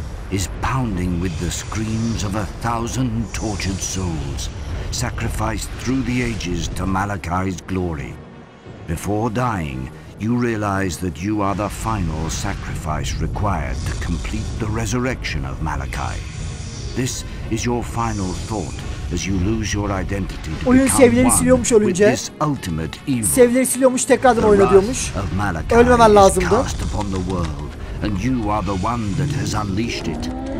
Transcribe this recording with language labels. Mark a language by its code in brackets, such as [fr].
[en] Is pounding with the screams of 1,000 tortured souls sacrificed through the ages to Malachi's glory. Before dying, you realize that you are the final sacrifice required to complete the resurrection of Malachi. This is your final thought as you lose your identity to [tr] oyun sevdiğini siliyormuş ölünce. [en] With this ultimate evil. [tr] Sevdiğini siliyormuş, tekrardan oyuna diyormuş. Ölmemen lazımdı. [en] And you are the one that has unleashed it.